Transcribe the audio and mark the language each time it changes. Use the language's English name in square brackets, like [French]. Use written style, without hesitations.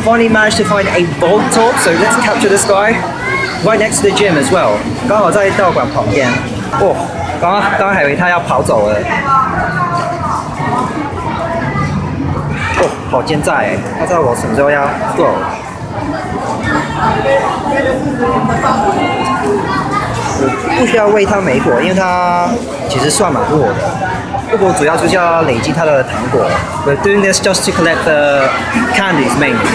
[English] Finally managed to find a Voltorb, so let's capture this guy right next to the gym as well. [Chinese] 刚好在道馆旁边。哇、oh, ，刚还以为他要跑走了。哦、好奸诈哎！他知道我什么时候要走。我不需要喂他莓果，因为他其实算蛮弱的。不过主要就是要累积他的糖果。 [English] We're doing this just to collect the candies mainly.